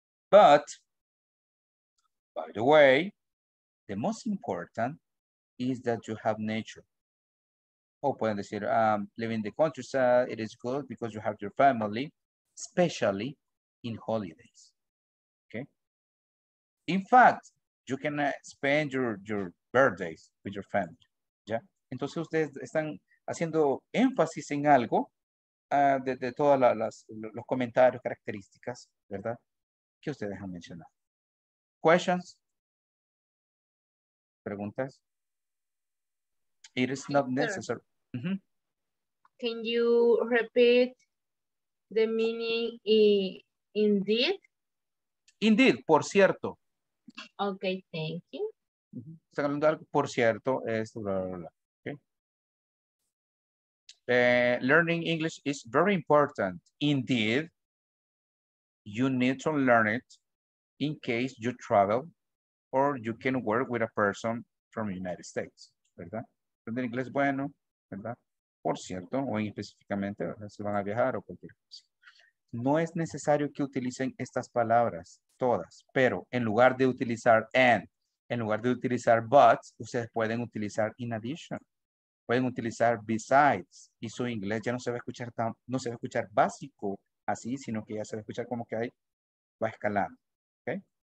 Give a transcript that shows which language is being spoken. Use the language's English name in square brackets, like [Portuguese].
[English] But, by the way, the most important is that you have nature. [Spanish] O pueden decir, [English] living in the countryside, it is good because you have your family, especially in holidays. In fact, you can spend your birthdays with your family. [Spanish] ¿Ya? Entonces ustedes están haciendo énfasis en algo de todas los comentarios, características, ¿verdad? Que ustedes han mencionado. [English] ¿Questions? [Spanish] ¿Preguntas? [English] It is not necessary. Mm-hmm. Can you repeat the meaning indeed? [Spanish] Indeed, por cierto. [English] Okay, thank you. [Spanish] Está hablando algo, por cierto, es bla, bla, bla. [English] Okay. Learning English is very important. Indeed, you need to learn it in case you travel or you can work with a person from the United States. [Spanish] ¿Verdad? Aprender inglés bueno, ¿verdad? Por cierto, o específicamente, si van a viajar o cualquier cosa. No es necesario que utilicen estas palabras todas, pero en lugar de utilizar and, en lugar de utilizar but, ustedes pueden utilizar in addition, pueden utilizar besides, y su inglés ya no se va a escuchar tan, no se va a escuchar básico así, sino que ya se va a escuchar como que ahí va escalando, ¿okay?